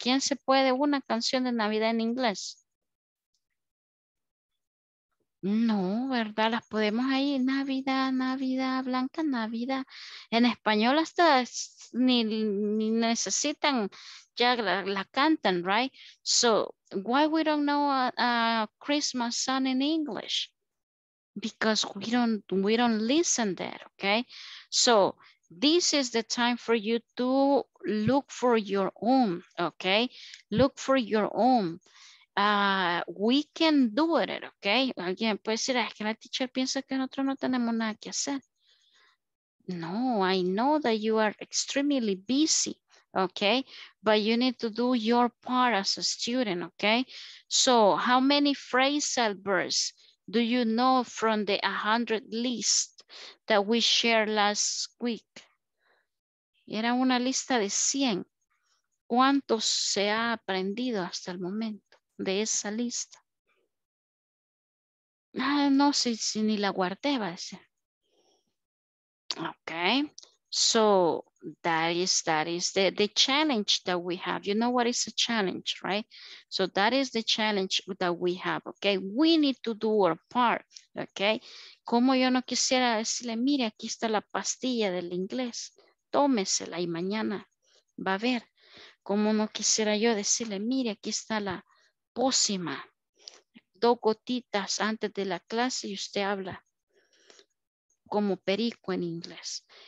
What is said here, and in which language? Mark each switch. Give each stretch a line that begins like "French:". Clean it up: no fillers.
Spanish: ¿Quién se puede una canción de Navidad en inglés? No, ¿verdad? Las podemos ahí. Navidad, Blanca Navidad. En español hasta ni necesitan, ya la cantan,
English: right? So, why we don't know a Christmas song in English? Because we don't listen there, okay? So, this is the time for you to look for your own, okay? Look for your own. We can do it, okay?
Spanish: Alguien puede decir, es que la teacher piensa que nosotros no tenemos nada que hacer.
English: No, I know that you are extremely busy, okay? But you need to do your part as a student, okay? So how many phrasal verbs do you know from the 100 list that we shared last week?
Spanish: Era una lista de 100. ¿Cuántos se ha aprendido hasta el momento de esa lista? Ah, no sé si ni la guardé, va a decir.
English: Okay, so that is the challenge that we have. You know what is a challenge, right? So that is the challenge that we have, okay? We need to do our part, okay?
Spanish: Como yo no quisiera decirle, mire, aquí está la pastilla del inglés, tómesela y mañana va a ver. Como no quisiera yo decirle, mire, aquí está la pócima, dos gotitas antes de la clase y usted habla como perico en inglés.